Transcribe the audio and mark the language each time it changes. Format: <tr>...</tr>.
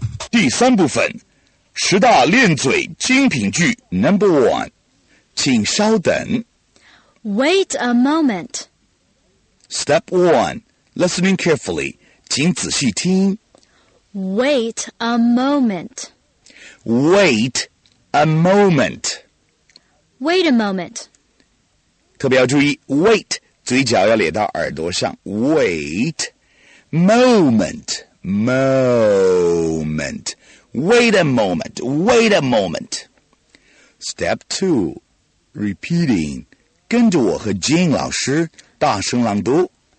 <zh>第三部分，十大练嘴精品句 Number 1，请稍等。</zh> <en>Wait a moment. Step 1, listening carefully.</en> <zh>请仔细听。</zh> <en>Wait a moment. Wait a moment. Wait a moment.</en> <zh>特别要注意</zh> <en>wait</en> <zh>嘴角要咧到耳朵上</zh> <en>wait moment moment wait a moment wait a moment. Step 2 repeating</en> <zh>跟着我和 Jean 老师大声朗读</zh>